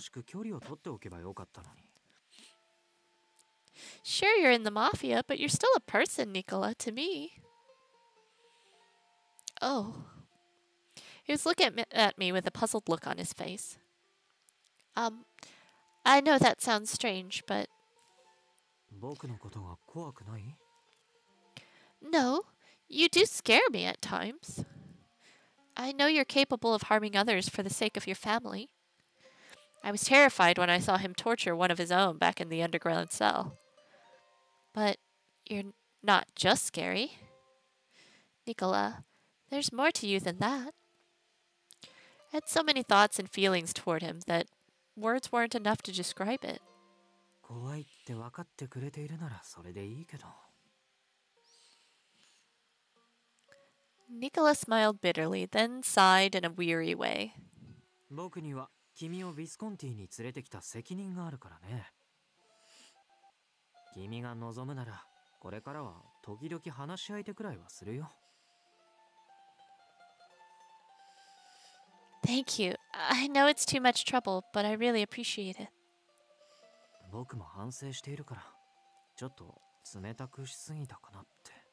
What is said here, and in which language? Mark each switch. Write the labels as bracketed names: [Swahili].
[Japanese] 僕が突き放しているうちにおとなしく距離を取っておけばよかったのに。 [English] Sure, you're in the mafia, but you're still a person, Nicola, to me. Oh. He was looking at me with a puzzled look on his face. I know that sounds strange, but... [Japanese] 僕のことが怖くない? [English] No, you do scare me at times. I know you're capable of harming others for the sake of your family. I was terrified when I saw him torture one of his own back in the underground cell. But you're not just scary. Nicola, there's more to you than that. I had so many thoughts and feelings toward him that words weren't enough to describe it. [Japanese] 怖いって分かってくれているならそれでいいけど。 [English] Nicola smiled bitterly, then sighed in a weary way. [Japanese] 僕には君をビスコンティに連れてきた責任があるからね。君が望むなら、これからは時々話し相手くらいはするよ。 [English] Thank you. I know it's too much trouble, but I really appreciate it. [Japanese] 僕も反省しているから、ちょっと冷たくしすぎたかなって。